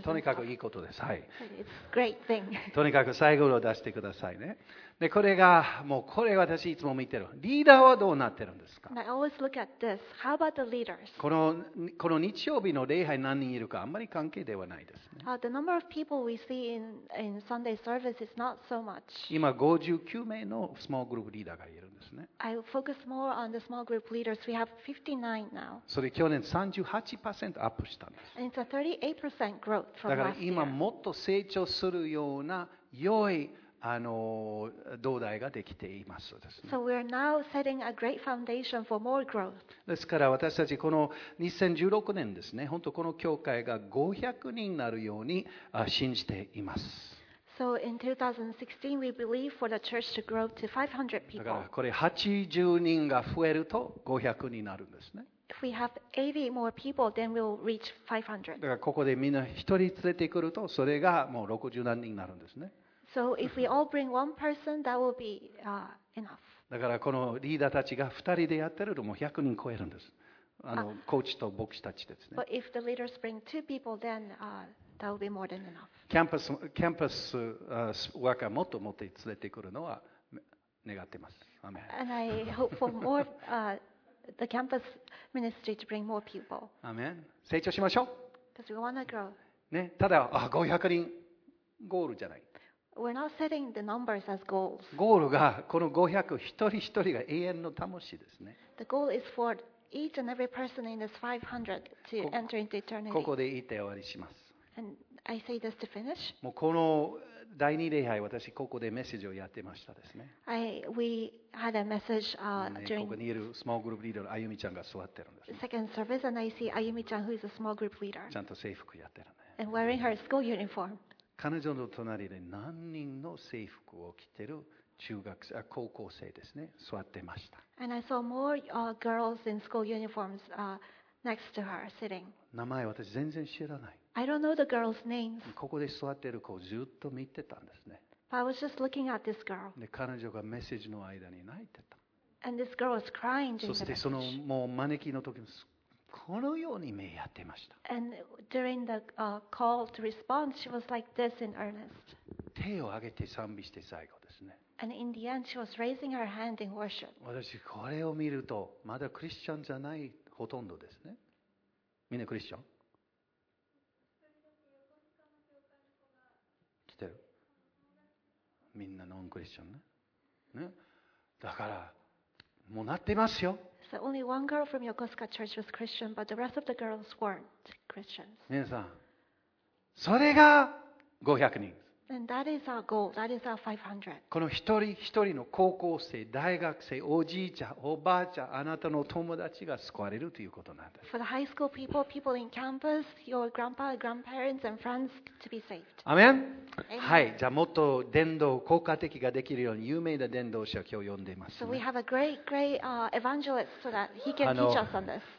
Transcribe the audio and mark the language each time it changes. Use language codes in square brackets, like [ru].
[ja] とにかくいいことです。はい。 [en] It's a great thing. [ja] とにかく最後を出してくださいね。でこれがもうこれ私いつも見てる。リーダーはどうなってるんですか。 [en] I always look at this. How about the leaders? [ja] この日曜日の礼拝何人いるかあんまり関係ではないですね。 [en] The number of people we see in Sunday service is not so much. [ja] 今59名のスモーグループリーダーがいるんですね。 [en] I focus more on the small group leaders. We have 59 now. [ja] それ去年 38% アップしたんです。 [en] And it's a 38% growth from last year. [ja] だから今もっと成長するような良い土台ができていますですね。 [en] So we are now setting a great foundation for more growth. [ja] ですから私たちこの2016年ですね、本当この教会が500人になるように信じています。 [en] So in 2016, we believe for the church to grow to 500 people. [ja] だからこれ80人が増えると500になるんですね。 [en] If we have 80 more people, then we'll reach 500. [ja] だからここでみんな一人連れてくるとそれがもう60何人になるんですね。 [en] So if we all bring one person, that will be enough. [ja] だからこのリーダーたちが2人でやってるともう100人超えるんです。あのコーチと牧師たちですね。 [en] But if the leaders bring two people, then that will be more than enough. [ja] キャンパスワーカーもっともっと連れてくるのは願ってます。アメン。 [en] And I hope for more the campus ministry to bring more people. [ja] アメン。成長しましょう。 [en] Because we want to grow. [ja] ね、ただ500人ゴールじゃない。 [en] We're not setting the numbers as goals. [ja] ゴールがこの500一人一人が永遠の魂ですね。 [en] The goal is for each and every person in this 500 to enter into eternity. [ja] ここで言って終わりします。 [en] And I say this to finish. [ja] もうこの第二礼拝、私ここでメッセージをやってましたですね。 [en] We had a message during. [ja] ここにいるスモールグループリーダーのあゆみちゃんが座ってるんです、ね。 [en] Second service and I see あゆみちゃん who is a small group leader. [ja] ちゃんと制服やってるね。 [en] And wearing her school uniform. [ja] 彼女の隣で何人の制服を着てる中学生、高校生ですね、座ってました。 [en] And I saw more girls in school uniforms next to her sitting. [ja] 名前私全然知らない。 I don't know the girls' names. ここで座ってる子をずっと見てたんですね。 But I was just looking at this girl. で、彼女がメッセージの間に泣いてた。 And this girl was crying during the message. そしてそのもう招きの時もこのように目やってました。 And during the call to respond, she was like this in earnest. 手を挙げて賛美して最後ですね。 And in the end, she was raising her hand in worship. 私これを見るとまだクリスチャンじゃないほとんどですね。みんなクリスチャン？みんなノンクリスチャン ね。だからもうなってますよ。 [en] So only one girl from Yokosuka Church was Christian, but the rest of the girls weren't Christians. [ja] 皆さん、それが500人。 [en] And that is our goal. That is our 500. [ja] この一人一人の高校生、大学生、おじいちゃん、おばあちゃん、あなたの友達が救われるということなんです。 [en] For the high school people, people in campus, your grandpa, grandparents, and friends to be saved. [ja] アメン。はい。じゃあもっと伝道効果的ができるように有名な伝道者を今日呼んでいます、ね。 [en] So we have a great, great evangelist so that he can teach us on this.